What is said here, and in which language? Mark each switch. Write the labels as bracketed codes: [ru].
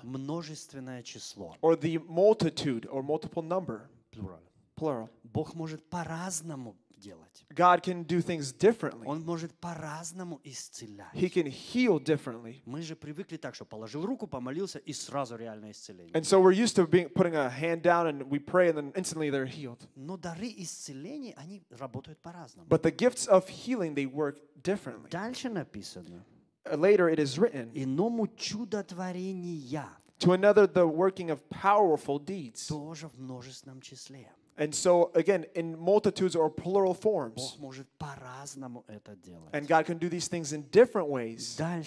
[ru] Множественное число. [en] Or the multitude, or multiple number. Plural. Plural. [ru] Бог может по-разному делать. [en] God can do things differently. [ru] Он может по-разному исцелять. [en] He can heal differently. [ru] Мы же привыкли так, что положил руку, помолился и сразу реальное исцеление. [en] And so we're used to putting a hand down and we pray and then instantly they're healed. [ru] Но дары исцеления, они работают по-разному. [en] But the gifts of healing, they work differently. [ru] Дальше написано. [en] Later it is written. [ru] Иному чудотворения. [en] To another, the working of powerful deeds. And so, again, in multitudes or plural forms. And God can do these things in different ways.